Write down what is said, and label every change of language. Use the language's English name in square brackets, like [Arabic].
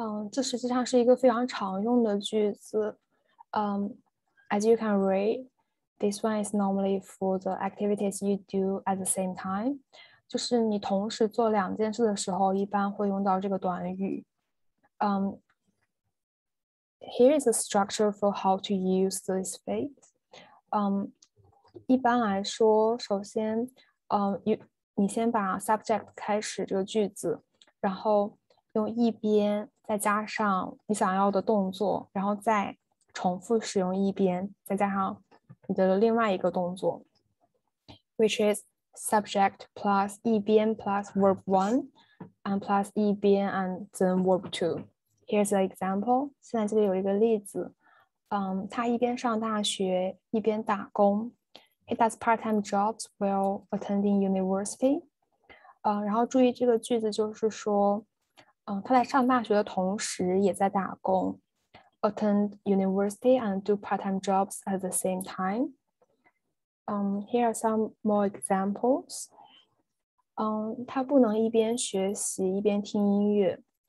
[Chinese] 这实际上是一个非常常用的句子。 [English] As you can read, this one is normally for the activities you do at the same time. [Chinese] 就是你同时做两件事的时候一般会用到这个短语。 [English] Here is a structure for how to use this phrase. [Chinese] 一般来说首先你先把 subject 开始这个句子，然后用一边再加上你想要的动作，然后再重复使用一边，再加上你的另外一个动作 [English] ，which is subject plus 一边 plus verb one and plus 一边 and then verb two. Here's an example. [Chinese] 现在这里有一个例子，他一边上大学一边打工。 [English] He does part-time jobs while attending university. [Chinese] 然后注意这个句子就是说，他在上大学的同时也在打工。 [English] Attend university and do part-time jobs at the same time. Here are some more examples. [Chinese] 他不能一边学习一边听音乐。